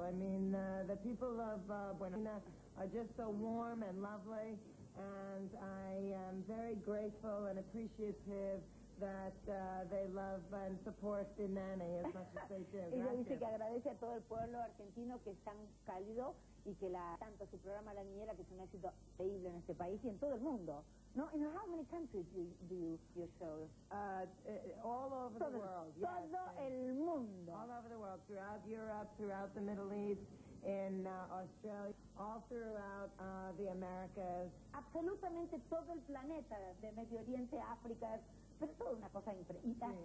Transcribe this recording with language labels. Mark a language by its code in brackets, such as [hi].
[en] I mean, the people of Buenos Aires are just so warm and lovely. And I am very grateful and appreciative that they love and support the nanny as much as they do. [es] Ella dice que agradece a todo el pueblo argentino que es tan cálido y que la tanto su programa La Niñera, que es un éxito increíble en este país y en todo el mundo. [en] No, in how many countries do you your shows? All over the world. [es] Yes, todo el mundo. [en] All over the world, throughout Europe, throughout the Middle East, in Australia, all throughout the Americas. [es] Absolutamente todo el planeta, de Medio Oriente, África, pero todo una cosa increíble.